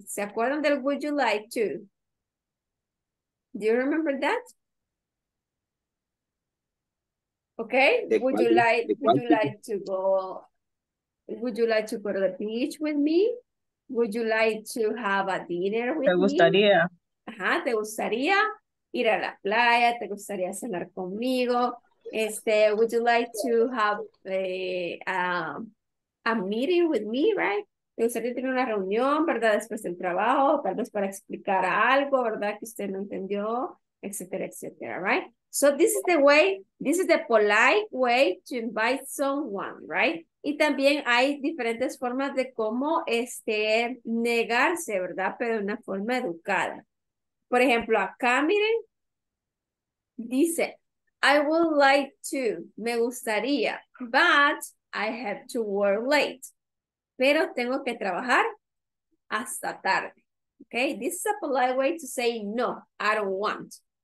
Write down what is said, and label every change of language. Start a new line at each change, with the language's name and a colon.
Spanish: ¿Se acuerdan del
English: would you like to? Do you remember that? Okay, would you like to go to the beach with me? Would you like to have a dinner with me?
Spanish: Te gustaría.
English: Me?
Spanish: Ajá, te gustaría ir a la playa, te gustaría cenar conmigo.
English: Would you like to have a meeting with me, right?
Spanish: Te gustaría tener una reunión, ¿verdad? Después del trabajo, tal vez para explicar algo, ¿verdad? Que usted no entendió, etcétera, etcétera, right?
English: So this is the polite way to invite someone, right?
Spanish: Y también hay diferentes formas de cómo negarse, ¿verdad? Pero de una forma educada. Por ejemplo, acá miren, dice,
English: I would like to,
Spanish: me gustaría,
English: but I have to work late.
Spanish: Pero tengo que trabajar hasta tarde.
English: Okay, this is a polite way to say no, I don't want.